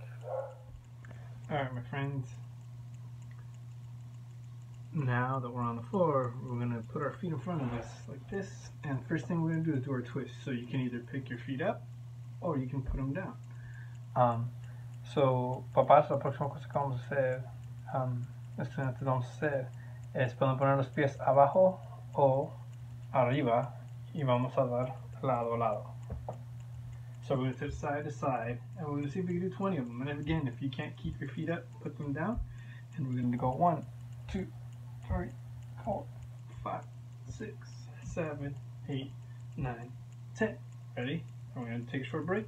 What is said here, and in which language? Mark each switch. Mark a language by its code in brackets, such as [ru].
[en] All right, my friends. Now that we're on the floor, we're going to put our feet in front of us like this. And first thing we're going to do is do our twist. So you can either pick your feet up or you can put them down. [es] So, papás, la próxima cosa que vamos a hacer, estudiantes, vamos a hacer es poder poner los pies abajo o arriba y vamos a dar lado a lado. [en] So we're going to sit side to side, and we're going to see if we can do 20 of them. And again, if you can't keep your feet up, put them down. And we're going to go 1, 2, 3, 4, 5, 6, 7, 8, 9, 10. Ready? And we're going to take a short break.